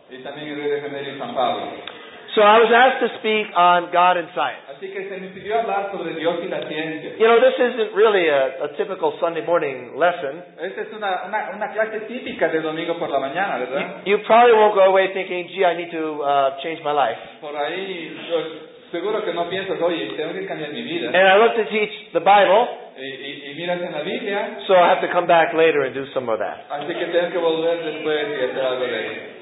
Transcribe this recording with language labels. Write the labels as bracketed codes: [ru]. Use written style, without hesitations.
[es] Y también en Rio de Janeiro y São Paulo. [en] So I was asked to speak on God and science. [es] Así que se me pidió hablar sobre Dios y la ciencia. [en] You know, this isn't really a typical Sunday morning lesson. [es] Esta es una clase típica de domingo por la mañana, ¿verdad? [en] You probably won't go away thinking, gee, I need to change my life. [es] Por ahí, yo seguro que no piensas, oye, tengo que cambiar mi vida. [en] And I love to teach the Bible. [es] Y miras en la Biblia. [en] So I have to come back later and do some of that. [es] Así que tengo que volver después y hacer algo de eso.